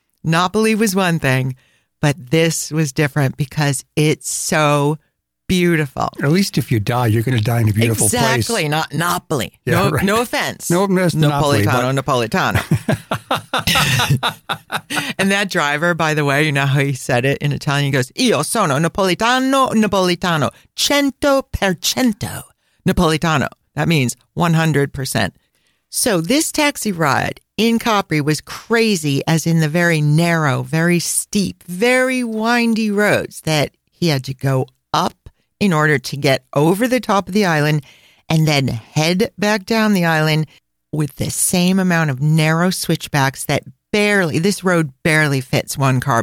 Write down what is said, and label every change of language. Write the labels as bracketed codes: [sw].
[en] Napoli was one thing, but this was different because it's so beautiful. At least if you die, you're going to die in a beautiful exactly, place. Exactly, not Napoli. Yeah, no, right. No offense. No offense to Napoli. Napolitano, but... Napolitano. And that driver, by the way, you know how he said it in Italian? He goes, [it] io sono Napolitano, Napolitano, 100% Napolitano. [en] That means 100%. So this taxi ride in Capri was crazy, as in the very narrow, very steep, very windy roads that he had to go up in order to get over the top of the island and then head back down the island with the same amount of narrow switchbacks that this road barely fits one car.